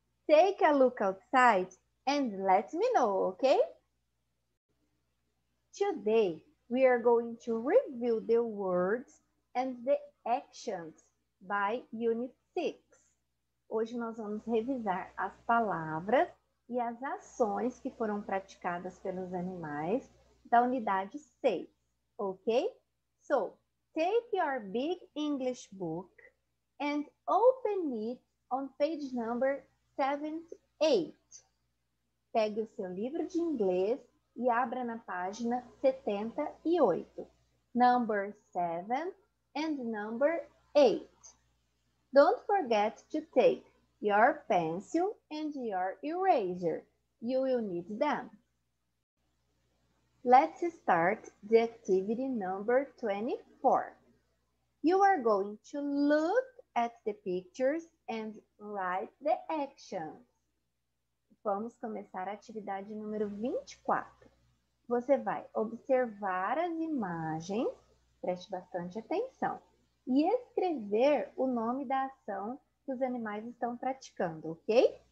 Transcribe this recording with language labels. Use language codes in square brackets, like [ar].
[en] Take a look outside and let me know, okay? Today, we are going to review the words and the actions by Unit 6. [pt] Hoje nós vamos revisar as palavras e as ações que foram praticadas pelos animais da unidade 6, ok? [en] So, take your big English book and open it on page number 78. [pt] Pegue o seu livro de inglês e abra na página 78. [en] Number 7 and number 8. Don't forget to take your pencil and your eraser. You will need them. Let's start the activity number 24. You are going to look at the pictures and write the actions. [pt] Vamos começar a atividade número 24. Você vai observar as imagens, preste bastante atenção, e escrever o nome da ação que os animais estão praticando, ok?